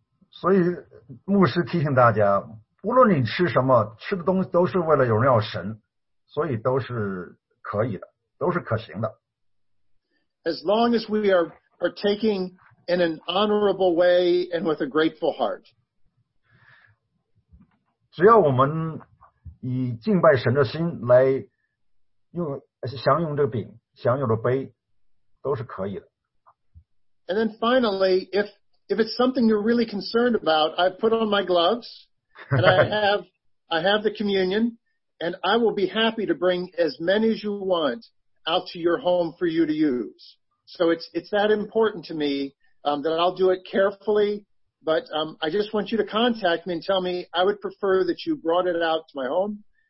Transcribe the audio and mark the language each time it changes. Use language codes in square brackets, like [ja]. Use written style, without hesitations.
[zh] 所以牧师提醒大家，无论你吃什么，吃的东西都是为了荣耀神，所以都是可以的，都是可行的。 [en] As long as we are partaking in an honorable way and with a grateful heart. [zh] 只要我们以敬拜神的心来用享用这个饼，享用这个杯，都是可以的。 [en] And then finally, if it's something you're really concerned about, I've put on my gloves. And I have the communion, and I will be happy to bring as many as you want out to your home for you to use. So it's that important to me that I'll do it carefully, but I just want you to contact me and tell me I would prefer that you brought it out to my home.